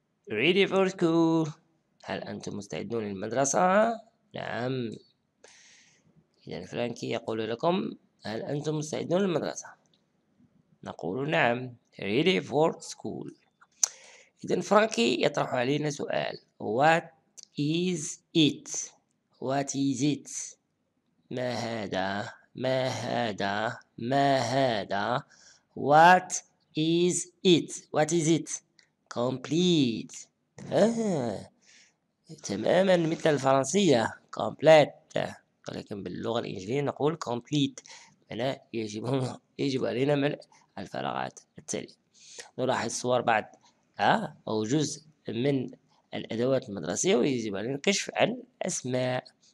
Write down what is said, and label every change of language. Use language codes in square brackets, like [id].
[en] Ready for school؟ [ar] هل أنتم مستعدون للمدرسة؟ نعم. إذا فرانكي يقول لكم هل أنتم مستعدون للمدرسة؟ نقول نعم. [en] Ready for school؟ [ar] إذا فرانكي يطرح علينا سؤال. [en] What is it؟ What is it؟ [ar] ما هذا؟ ما هذا؟ ما هذا؟ [en] What is it؟ What is it؟ Complete. [ar] تماما مثل الفرنسية complete، ولكن باللغة الإنجليزية نقول complete. هنا يجب علينا ملء الفراغات التالية. نلاحظ صور بعد أو جزء من الأدوات المدرسية ويجب علينا الكشف عن أسماء.